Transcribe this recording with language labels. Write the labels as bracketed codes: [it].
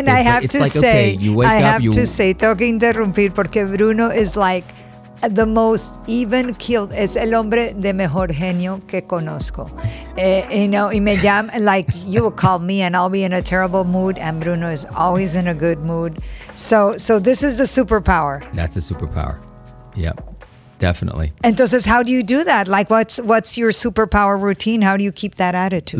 [en] And I have to say, tengo que interrumpir porque Bruno is like the most even-keeled. [es] Es el hombre de mejor genio que conozco. [en] You know, y me llam, like you will call me and I'll be in a terrible mood, and Bruno is always in a good mood. So this is the superpower. That's a superpower. Yep, definitely. Entonces, how do you do that? Like, what's your superpower routine? How do you keep that attitude?